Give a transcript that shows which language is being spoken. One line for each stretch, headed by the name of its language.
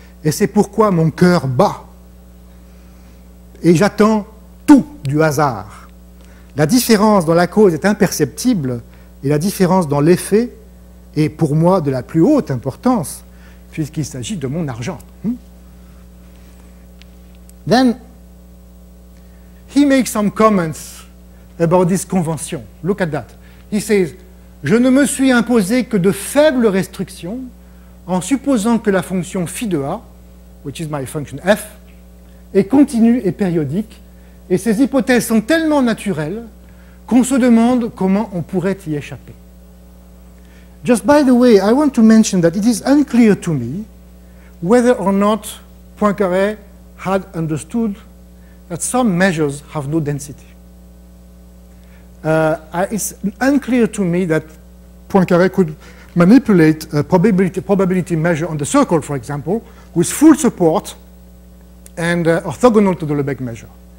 French: Et c'est pourquoi mon cœur bat. Et j'attends tout du hasard. La différence dans la cause est imperceptible et la différence dans l'effet est pour moi de la plus haute importance, puisqu'il s'agit de mon argent.
English: Then he makes some comments about this convention. Look at that. He says,
French: je ne me suis imposé que de faibles restrictions en supposant que la fonction phi de A,
English: which is my function f,
French: est continue et périodique, et ces hypothèses sont tellement naturelles qu'on se demande comment on pourrait y échapper.
English: Just by the way, I want to mention that it is unclear to me whether or not Poincaré had understood that some measures have no density. It's unclear to me that Poincaré could manipulate a probability measure on the circle, for example, with full support and orthogonal to the Lebesgue measure.